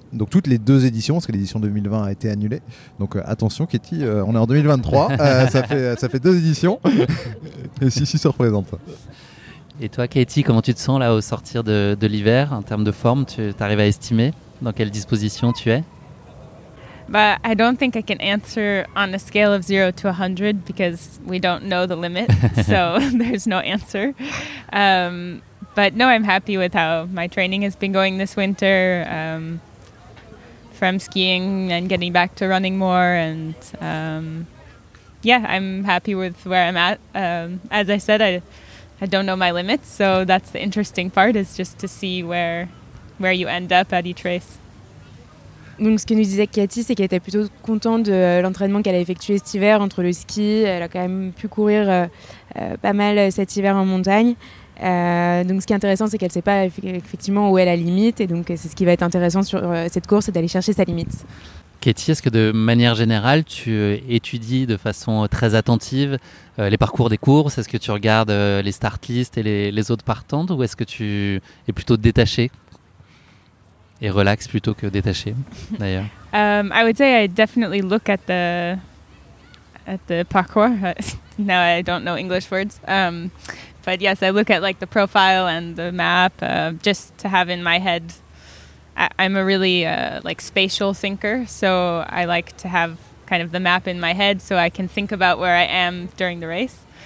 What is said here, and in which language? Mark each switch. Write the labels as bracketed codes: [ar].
[fr] Donc toutes les deux éditions, parce que l'édition 2020 a été annulée. Donc attention, Katie, on est en 2023. ça fait deux éditions. Et Sissi se représente. Et toi, Katie, comment tu te sens là au sortir de l'hiver en termes de forme? Tu arrives à estimer dans quelle disposition tu es? [en] But I don't think I can answer on a scale of 0 to 100 because we don't know the limit, so there's no answer. But no, I'm happy with how my training has been going this winter, from skiing and getting back to running more, and I'm happy with where I'm at. As I said, I don't know my limits, so that's the interesting part, is just to see where you end up at each race. [fr] Donc ce que nous disait Cathy, c'est qu'elle était plutôt contente de l'entraînement qu'elle a effectué cet hiver entre le ski. Elle a quand même pu courir pas mal cet hiver en montagne. Donc ce qui est intéressant, c'est qu'elle ne sait pas effectivement où est la limite. Et donc c'est ce qui va être intéressant sur cette course, c'est d'aller chercher sa limite. Cathy, est-ce que de manière générale, tu étudies de façon très attentive les parcours des courses? Est-ce que tu regardes les start list et les autres partantes? Ou est-ce que tu es plutôt détachée? Et relax plutôt que détaché, d'ailleurs. [en] I would say I definitely look at the parcours. Now I don't know English words. But yes, I look at like the profile and the map, just to have in my head. I'm a really like spatial thinker, so I like to have kind of the map in my head so I can think about where I am during the race.